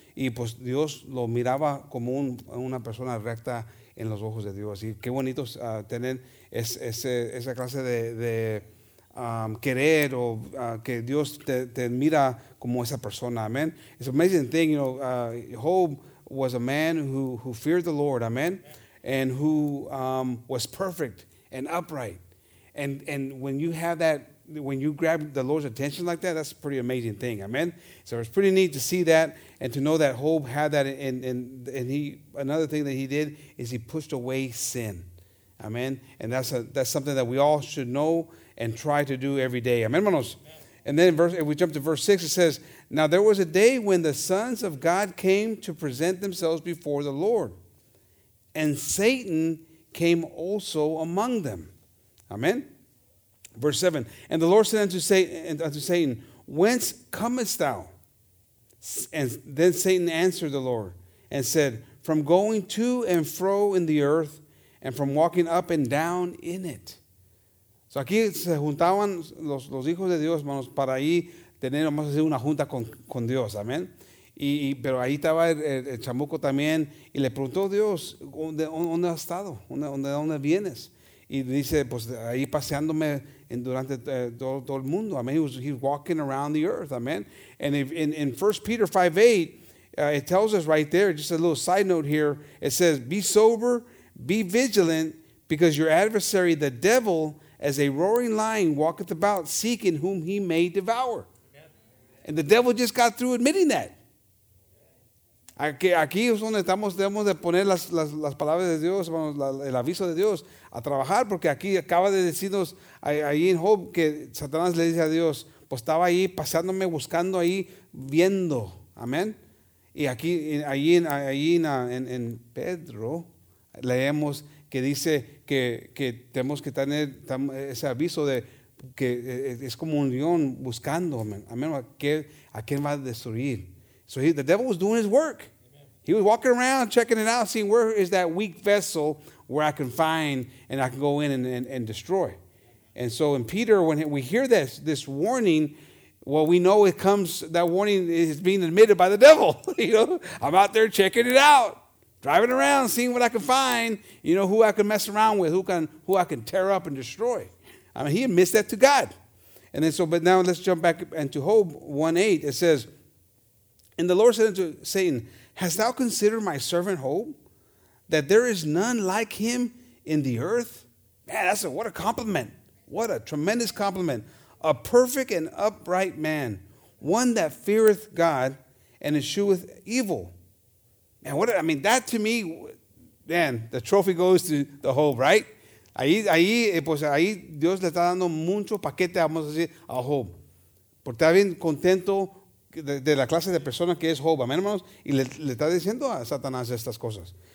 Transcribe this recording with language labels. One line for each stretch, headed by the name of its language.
Spanish: Y pues Dios lo miraba como una persona recta en los ojos de Dios. Y qué bonito tener esa clase de querer o que Dios te mira como esa persona.
English: Amen. It's an amazing thing, you know. Job was a man who feared the Lord. Amen. And who was perfect and upright. And when you have that, when you grab the Lord's attention like that, that's a pretty amazing thing. Amen. So it's pretty neat to see that and to know that Job had that. And he, another thing that he did is he pushed away sin. Amen. And that's something that we all should know and try to do every day. Amen, hermanos. And then if we jump to verse 6, it says, now there was a day when the sons of God came to present themselves before the Lord, and Satan came also among them. Amen. Verse 7, and the Lord said unto Satan, whence comest thou? And then Satan answered the Lord and said, from going to and fro in the earth, and from walking up and down in it.
Spanish: So aquí se juntaban los hijos de Dios, hermanos, para ahí tener, vamos a decir, una junta con Dios, amén. Pero ahí estaba el chamuco también, y le preguntó Dios, ¿dónde has estado? ¿De dónde vienes? Y dice, pues ahí paseándome en durante todo el mundo.
English: Amen. He's walking around the earth. Amen. And if, in 1 Peter 5:8, it tells us right there, just a little side note here. It says, be sober, be vigilant, because your adversary, the devil, as a roaring lion, walketh about seeking whom he may devour. And the devil just got through admitting that.
Spanish: Aquí es donde estamos, debemos de poner las palabras de Dios, el aviso de Dios, a trabajar, porque aquí acaba de decirnos ahí en Job que Satanás le dice a Dios, pues estaba ahí paseándome, buscando ahí, viendo. Amén. Y aquí, en Pedro, leemos que dice que tenemos que tener ese aviso de que es como un león buscando.
English: Amén.
Spanish: ¿A quién va a destruir?
English: So the devil was doing his work. Amen. He was walking around, checking it out, seeing where is that weak vessel where I can find and I can go in and destroy. And so in Peter, when we hear this warning, well, we know it comes, that warning is being admitted by the devil. You know, I'm out there checking it out, driving around, seeing what I can find, you know, who I can mess around with, who I can tear up and destroy. I mean, he admits that to God. And then so, but now let's jump back into Job 1:8. It says, and the Lord said unto Satan, hast thou considered my servant Job, that there is none like him in the earth? Man, what a compliment. What a tremendous compliment. A perfect and upright man, one that feareth God and escheweth evil. Man, that to me, man, the trophy goes to the Job, right?
Spanish: Ahí, Dios le está dando mucho paquete, vamos a decir, a Job. Porque está bien contento de la clase de persona que es Job, amén, hermanos, y le está diciendo a Satanás estas cosas.